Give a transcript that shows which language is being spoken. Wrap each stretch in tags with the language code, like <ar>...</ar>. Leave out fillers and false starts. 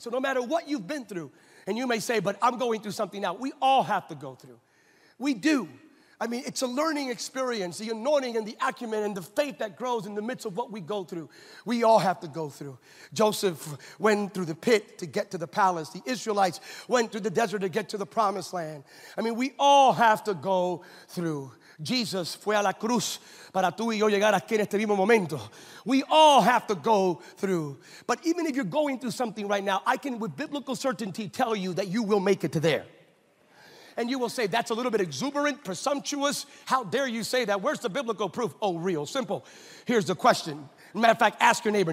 <en>So no matter what you've been through, and you may say, but I'm going through something now, we all have to go through. We do. I mean, it's a learning experience, the anointing and the acumen and the faith that grows in the midst of what we go through. We all have to go through. Joseph went through the pit to get to the palace. The Israelites went through the desert to get to the promised land. I mean, we all have to go through.</en> <es>Jesus fue a la cruz para tú y yo llegar aquí en este mismo momento.</es> <en>We all have to go through. But even if you're going through something right now, I can with biblical certainty tell you that you will make it to there. And you will say, that's a little bit exuberant, presumptuous. How dare you say that? Where's the biblical proof? Oh, real simple. Here's the question. Matter of fact, ask your neighbor.</en>